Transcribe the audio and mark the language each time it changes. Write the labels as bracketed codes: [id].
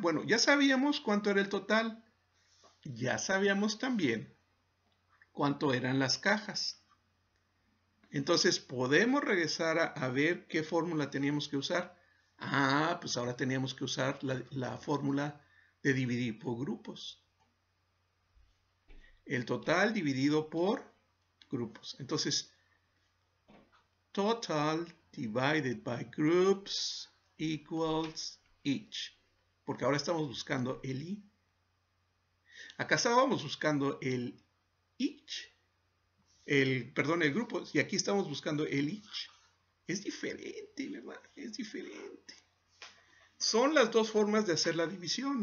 [es] Bueno, ya sabíamos cuánto era el total. Ya sabíamos también cuánto eran las cajas. Entonces, podemos regresar a ver qué fórmula teníamos que usar. Ah, pues ahora teníamos que usar la fórmula de dividir por grupos. El total dividido por grupos. [en] Entonces, total divided by groups equals each. [es] Porque ahora estamos buscando el i. Acá estábamos buscando el each. El grupo, y aquí estamos buscando el each. Es diferente, ¿verdad? Es diferente. Son las dos formas de hacer la división.